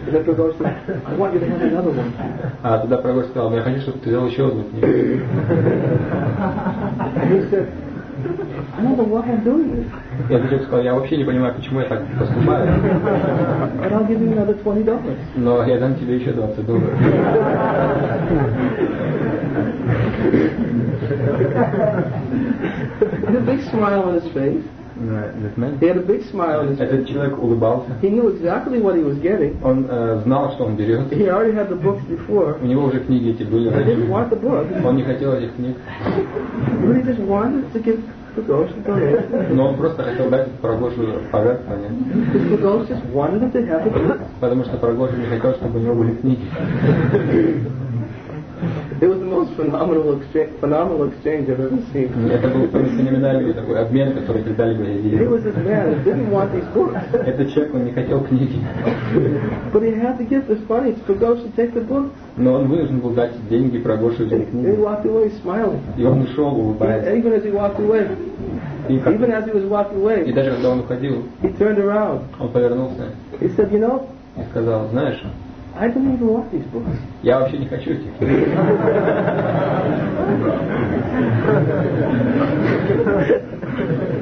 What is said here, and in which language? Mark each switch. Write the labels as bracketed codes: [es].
[en] And then Pragosh said, I want you to have another one. [ru] А тогда Прагош сказал, я хочу, чтобы ты взял еще одну книгу. [en] He said, I don't know why I'm doing this. [ru] И этот человек сказал, я вообще не понимаю, почему я так поступаю. [en] But I'll give you another $20. [ru] Но я дам тебе еще $20. [en] He had a big smile on his face. He had a big smile on his face. [ru] Этот человек улыбался. [en] He knew exactly what he was getting. [ru] Он знал, что он берет. [en] He already had the books before. [ru] У него уже книги эти были. [en] He didn't want the book. [ru] Он не хотел этих книг. [en] But he just wanted to give Pragosh the money. [ru] Но он просто хотел дать Прагошу пожертвование. [en] Because Pragosh just wanted him to have the books. [ru] Потому что Прагоша не хотел, чтобы у него были книги. [en] It was the most phenomenal exchange I've ever seen. [ru] Это был феноменальный такой обмен, который передали бы идеи. [en] He was this man who didn't want these books. [ru] Этот человек, он не хотел книги. [en] But he had to give this money to Pragosh to take the books. [ru] Но он вынужден был дать деньги Прагоше за книги. [en] He walked away smiling. [ru] И он ушел, улыбаясь. [en] Even as he walked away. Even as he was walking away. [ru] И даже когда он уходил. [en] He turned around. [ru] Он повернулся. [en] He said, you know. [ru] И сказал, знаешь. [en] I don't even want these books. [ru] Я вообще не хочу этих.